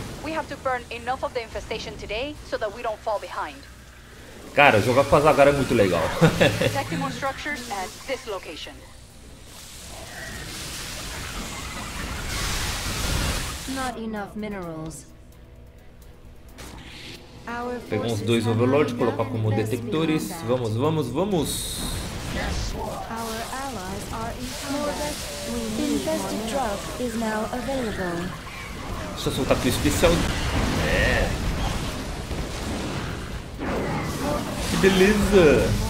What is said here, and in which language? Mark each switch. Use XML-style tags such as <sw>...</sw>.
<en>We have to burn enough of the infestation today so that we don't fall behind.</en> <pt>Cara, jogar com a Zagara é muito legal.</pt> <en>Detecting more structures at this location. Not enough minerals.</en> <pt>Pegar uns dois overlords, colocar como detectores. Vamos, vamos, vamos.</pt> <en>Our allies are in combat. Infested drop is now available.</en> <pt>Só soltar aqui o especial. É. Que beleza!</pt>